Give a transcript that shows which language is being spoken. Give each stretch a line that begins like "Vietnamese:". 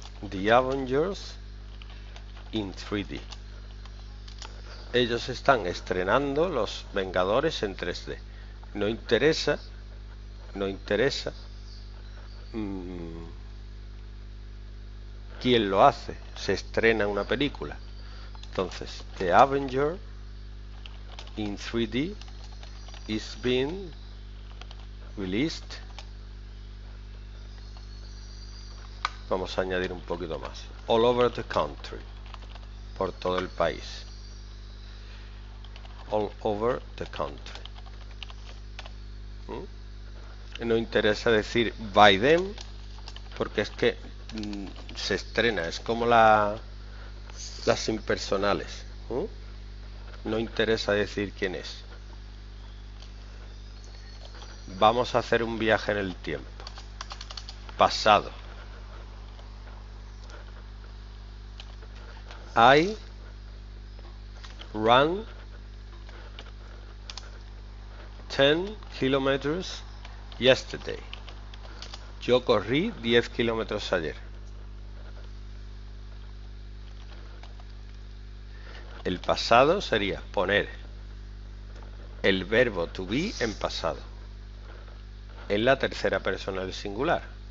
English: The Avengers in 3D.
Spanish: Ellos están estrenando los Vengadores en 3D. No interesa, no interesa quién lo hace. Se estrena una película.
English: Entonces, The Avenger in 3D is being released.
Spanish: Vamos a añadir un poquito más.
English: All over the country.
Spanish: Por todo el país. All over the country. No interesa decir
English: by them,
Spanish: porque es que se estrena, es como las impersonales. No interesa decir quién es. Vamos a hacer un viaje en el tiempo. Pasado.
English: I run 10 kilometers yesterday.
Spanish: Yo corrí 10 kilómetros ayer. El pasado sería poner el verbo to be en pasado, en la tercera persona del singular.